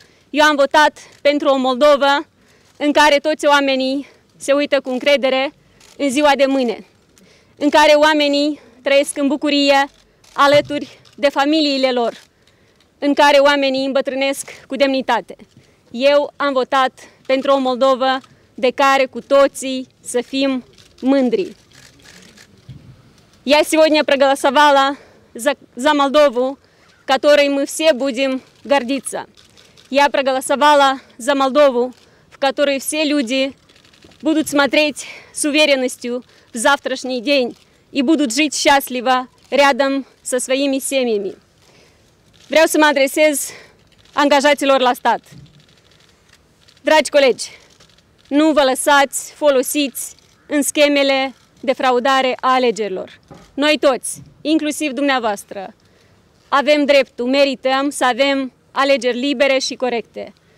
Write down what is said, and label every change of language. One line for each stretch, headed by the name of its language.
Romanian: Eu am votat pentru o Moldovă în care toți oamenii se uită cu încredere în ziua de mâine, în care oamenii trăiesc în bucurie alături de familiile lor, în care oamenii îmbătrânesc cu demnitate. Eu am votat pentru o Moldovă de care cu toții să fim mândri.
Russian: Я сегодня проголосовала за Молдову, которой мы все будем гордиться. Я проголосовала за Молдову, в которой все люди будут смотреть с уверенностью в завтрашний день и будут жить счастливо рядом со своими семьями.
Romanian: Vreau să mă adresez angajaților la stat. Dragi colegi, nu vă lăsați folosiți în schemele de fraudare a alegerilor. Noi toți, inclusiv dumneavoastră, avem dreptul, merităm să avem alegeri libere și corecte.